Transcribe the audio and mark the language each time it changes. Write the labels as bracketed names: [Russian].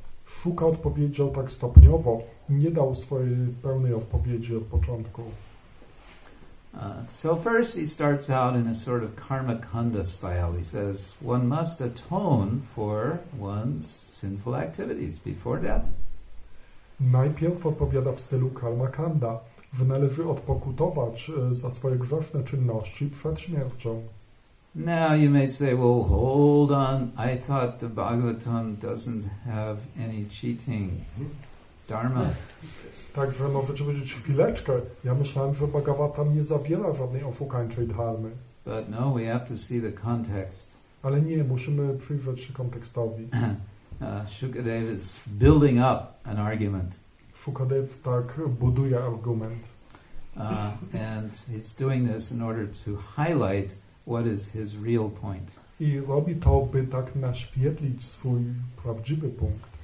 [Polish] Shuka odpowiedział tak stopniowo, nie dał swojej pełnej odpowiedzi od początku. [English] So first he starts out in a sort of karmakanda style. He says, one must atone for one's sinful activities before death. [Polish] Najpierw odpowiada w stylu karmakanda. że należy odpokutować za swoje grzeszne czynności przed śmiercią. [English] Now you may say, well, hold on, I thought the Bhagavatam doesn't have any cheating dharma. [Polish] Także możecie powiedzieć, chwileczkę, ja myślałem, że Bhagavatam nie zawiera żadnej oszukańczej dharmy. [English] But no, we have to see the context. [Polish] Ale nie, musimy przyjrzeć się kontekstowi. [English] Shukadev is building up an argument. [Polish] Shukadev tak buduje argument. [English] And he's doing this in order to highlight what is his real point. [Polish] I robi to, by tak naświetlić swój prawdziwy punkt.